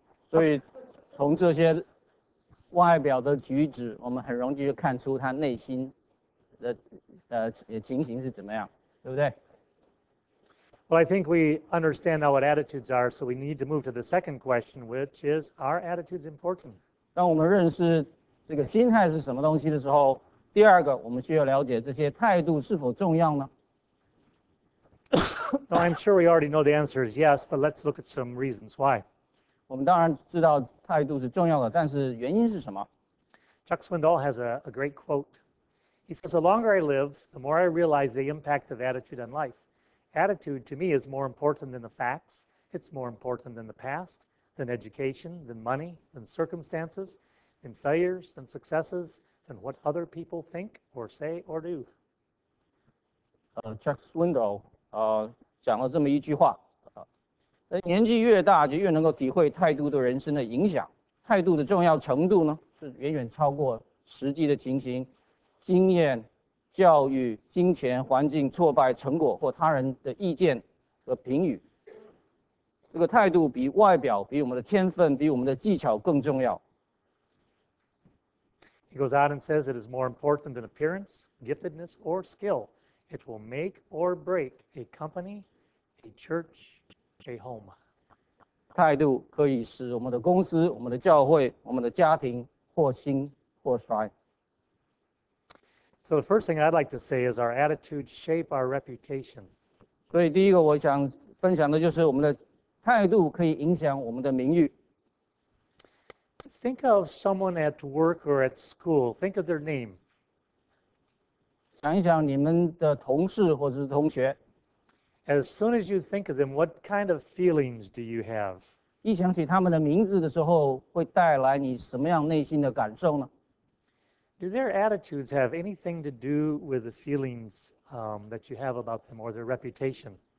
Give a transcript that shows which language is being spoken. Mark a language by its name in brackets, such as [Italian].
[Chinese] 所以从这些外表的举止，我们很容易就看出他内心的情形是怎么样，对不对？ [English] Well, I think we understand now what attitudes are, so we need to move to the second question, which is, are attitudes important? [Chinese] 当我们认识这个心态是什么东西的时候，第二个，我们需要了解这些态度是否重要呢？ [English] Now, I'm sure we already know the answer is yes, but let's look at some reasons why. [Chinese] 我们当然知道态度是重要的，但是原因是什么？ [English] Chuck Swindoll has a great quote. He says, "The longer I live, the more I realize the impact of attitude on life. Attitude, to me, is more important than the facts. It's more important than the past, than education, than money, than circumstances, than failures, than successes, than what other people think or say or do." [Chinese] Chuck Swindoll 讲了这么一句话，年纪越大就越能够体会态度的人生的影响。态度的重要程度呢，是远远超过实际的情形、经验、教育、金钱、环境、挫败、成果或他人的意见和评语。这个态度比外表、比我们的天分、比我们的技巧更重要。 [English] He goes out and says it is more important than appearance, giftedness, or skill. It will make or break a company, a church, a home. [Chinese] 态度可以使我们的公司、我们的教会、我们的家庭或兴或衰。 [English] So the first thing I'd like to say is our attitude shape our reputation. [Chinese] 所以第一个我想分享的就是我们的态度可以影响我们的名誉。 [English] Think of someone at work or at school. Think of their name. [Chinese] 想一想你们的同事或是同学。 [English] As soon as you think of them, what kind of feelings do you have? [Chinese] 一想起他们的名字的时候，会带来你什么样内心的感受呢？ [English] Do their attitudes have anything to do with the feelings that you have about them or their reputation?